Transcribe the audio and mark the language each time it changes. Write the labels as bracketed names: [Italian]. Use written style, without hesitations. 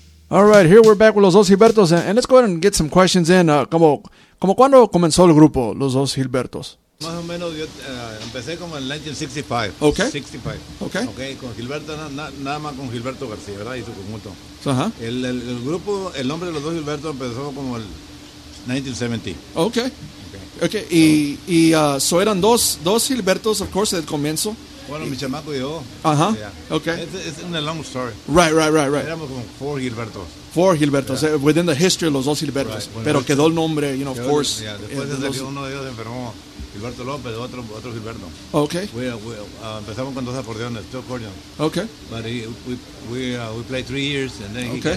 [English] Here we're back with Los Dos Gilbertos, and let's go ahead and get some questions in. [Spanish] ¿Como cuándo comenzó el grupo Los Dos Gilbertos? Más o menos yo empecé como en 1965. [English] Okay. 65. Okay. Okay. [Spanish] Con Gilberto, nada más con Gilberto García, ¿verdad? Y su conjunto. Ajá. El grupo, el nombre de Los Dos Gilbertos empezó como el 1970. [English] Okay. Okay. Okay. [Spanish] Y [English] so [Spanish] eran dos Gilbertos, [English] of course, [Spanish] del comienzo. Bueno, mi chamaco y yo. [English] Ajá. Yeah. Okay. It's a long story. Right. [Spanish] Éramos como [English] Four Gilbertos. Yeah. Within the history of Los Dos Gilbertos. Right. [Spanish] Pero [English] right. [Spanish] Quedó el nombre, [English] you know, of course. Yeah. [Spanish] Después de que uno de ellos enfermó, Gilberto López, otro Gilberto. [English] Okay. [Spanish] Empezamos con dos acordeones, [English] two accordions. Okay. But we played 3 years, and then he okay.